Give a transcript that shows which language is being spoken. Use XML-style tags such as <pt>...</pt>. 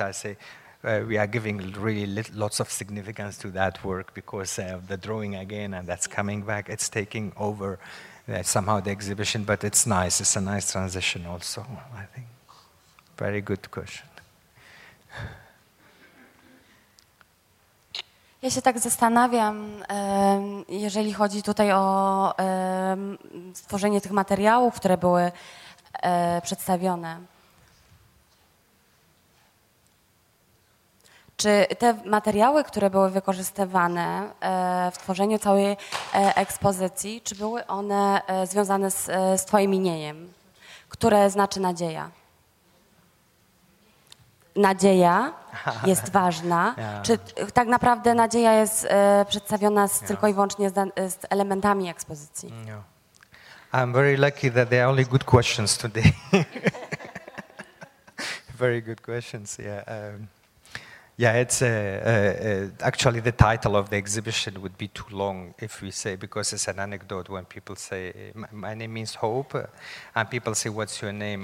<en>I say we are giving really lots of significance to that work because of the drawing again, and that's coming back. It's taking over somehow the exhibition. But it's nice. It's a nice transition, also. I think very good question.</en> <pl>Ja się tak zastanawiam, jeżeli chodzi tutaj o stworzenie tych materiałów, które były przedstawione. Czy te materiały, które były wykorzystywane w tworzeniu całej ekspozycji, czy były one związane z twoim imieniem, które znaczy nadzieja? Nadzieja jest ważna. Yeah. Czy tak naprawdę nadzieja jest przedstawiona tylko i wyłącznie z elementami ekspozycji?</pl> <en>Yeah. I'm very lucky that there are only good questions today. Very good questions, yeah. Yeah, it's actually the title of the exhibition would be too long if we say, because it's an anecdote when people say, my name means hope, and people say, what's your name?</en>